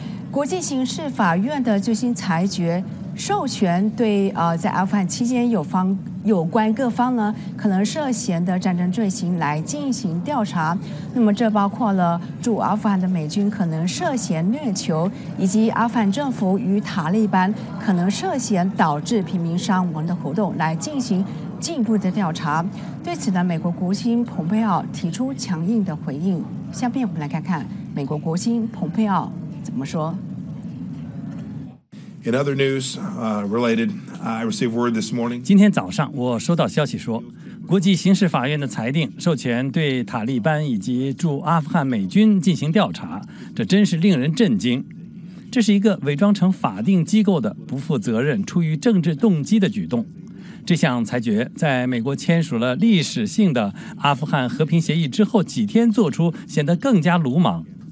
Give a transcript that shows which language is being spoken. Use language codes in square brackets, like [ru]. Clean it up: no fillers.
[zh] 国际刑事法院的最新裁决授权对在阿富汗期间有关各方呢可能涉嫌的战争罪行来进行调查，那么这包括了驻阿富汗的美军可能涉嫌虐囚，以及阿富汗政府与塔利班可能涉嫌导致平民伤亡的活动来进行进一步的调查。对此呢，美国国务卿蓬佩奥提出强硬的回应。下面我们来看看美国国务卿蓬佩奥怎么说。 [en] In other news, related, I received word this morning. [zh] 今天早上我收到消息说，国际刑事法院的裁定授权对塔利班以及驻阿富汗美军进行调查，这真是令人震惊。这是一个伪装成法定机构的不负责任、出于政治动机的举动。这项裁决在美国签署了历史性的阿富汗和平协议之后几天做出，显得更加鲁莽。